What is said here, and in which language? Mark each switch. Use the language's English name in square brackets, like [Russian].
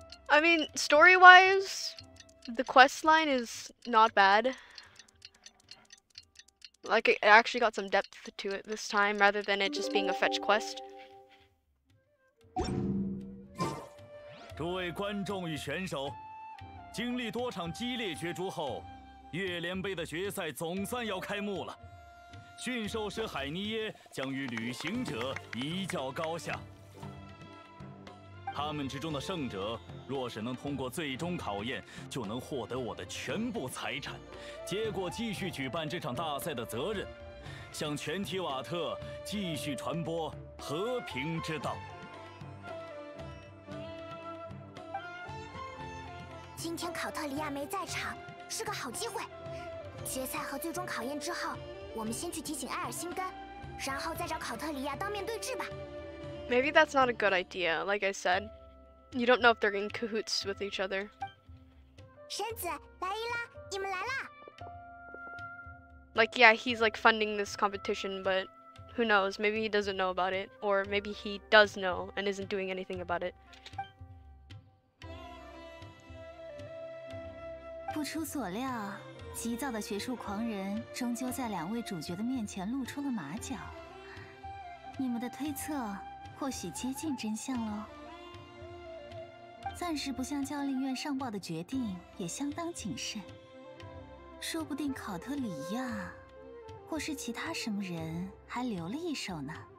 [English] I mean, story-wise, the quest line is not bad. Like, it actually got some depth to it this time, rather than it just being a fetch quest. [Chinese] 诸位观众与选手，经历多场激烈角逐后，月莲杯的决赛总算要开幕了。驯兽师海尼耶将与旅行者一较高下。他们之中的胜者，若是能通过最终考验，就能获得我的全部财产，接过继续举办这场大赛的责任，向全体瓦特继续传播和平之道。今天考特里亚没在场，是个好机会。决赛和最终考验之后，我们先去提醒埃尔辛根，然后再找考特里亚当面对质吧。 [English] Maybe that's not a good idea. Like I said, you don't know if they're in cahoots with each other. [Chinese] 神子，莱伊拉，你们来啦！ [English] Like, yeah, he's like funding this competition, but who knows? Maybe he doesn't know about it, or maybe he does know and isn't doing anything about it. [Chinese] 不出所料，急躁的学术狂人终究在两位主角的面前露出了马脚。你们的推测。或许接近真相了。暂时不向教令院上报的决定也相当谨慎，说不定考特里亚或是其他什么人还留了一手呢。